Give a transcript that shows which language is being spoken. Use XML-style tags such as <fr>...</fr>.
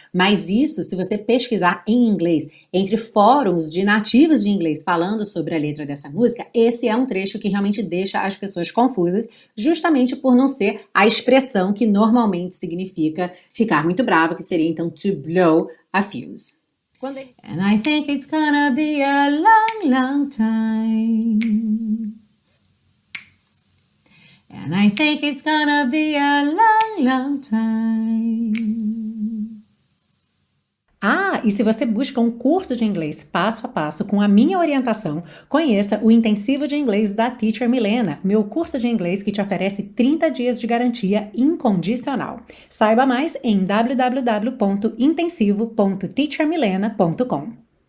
<pt>Mas isso, se você pesquisar em inglês, entre fóruns de nativos de inglês falando sobre a letra dessa música, esse é um trecho que realmente deixa as pessoas confusas, justamente por não ser a expressão que normalmente significa ficar muito bravo, que seria, então,</pt> <en>to blow a fuse. And I think it's gonna be a long, long time. And I think it's gonna be a long, long time.</en> <pt>Ah, e se você busca um curso de inglês passo a passo com a minha orientação, conheça o Intensivo de Inglês da Teacher Milena, meu curso de inglês que te oferece 30 dias de garantia incondicional. Saiba mais em www.intensivo.teachermilena.com.</pt>